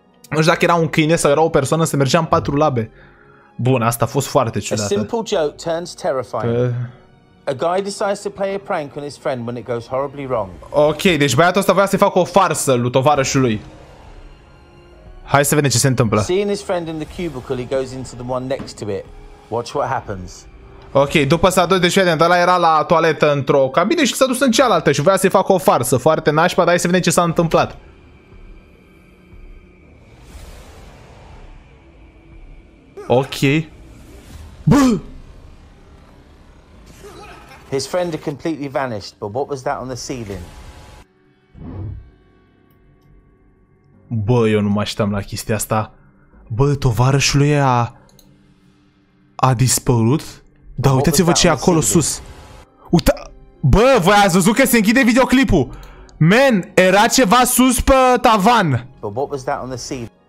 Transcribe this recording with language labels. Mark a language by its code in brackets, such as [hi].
[ro] Nu știu dacă era un câine sau era o persoană, se mergea în patru labe. Bun, asta a fost foarte ciudată. [en] A simple joke turns terrifying. A guy decides to play a prank on his friend when it goes horribly wrong. [ro] Ok, deci băiatul ăsta voia să-i facă o farsă lui tovarășului. Hai să vedem ce se întâmplă. [en] Seeing his friend in the cubicle, he goes into the one next to it. Watch what happens. [ro] Ok, după s-a dus, deci vedem, ăla era la toaletă într-o cabină și s-a dus în cealaltă și voia să-i facă o farsă. Foarte nașpa, dar hai să vedem ce s-a întâmplat. Ok. Bă! [en] His friend had completely vanished, but what was that on the ceiling? [ro] Bă, eu nu mă așteptam la chestia asta. Bă, tovarășul ei a dispărut? Dar uitați-vă ce e acolo sus. Bă, voi ați văzut că se închide videoclipul. [en] Man, [ro] era ceva sus pe tavan. [en] But what was that on the ceiling?